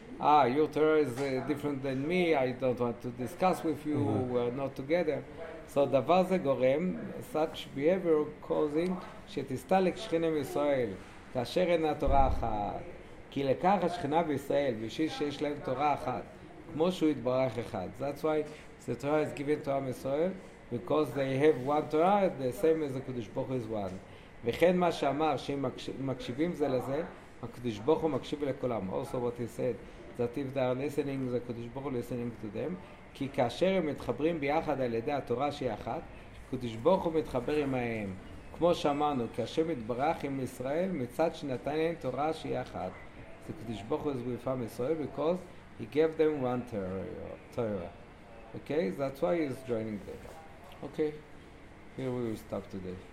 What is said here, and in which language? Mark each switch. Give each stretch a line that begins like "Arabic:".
English: Ah, your Torah is different than me, I don't want to discuss with you, mm-hmm. we're not together.
Hebrew: So דבר זה גורם,
English: such behavior causing,
Hebrew: שתסתלק שכינה מישראל, כאשר אין התורה אחת. כי לכך השכינה בישראל, בשביל שיש להם תורה אחת, כמו שהוא יתברך אחד.
English: That's why the Torah is given to Am Yisrael, because they have one Torah, the same as the Kodesh Boch is one.
Hebrew: וכן מה שאמר, שהם מקשיבים זה לזה, הקדוש ברוך הוא מקשיב לכולם.
English: Also what he said, that if they are listening, the קדוש ברוך הוא listening to them.
Hebrew: כי כאשר הם מתחברים ביחד על ידי התורה שהיא אחת, קדוש ברוך הוא מתחבר עמהם. כמו שאמרנו, כי השם יתברך עם ישראל מצד שנתן להם תורה שהיא אחת.
English: The קדוש ברוך הוא is with Am Yisrael, because he gave them one Torah. Okay, that's why he's joining them. Okay, here we will stop today.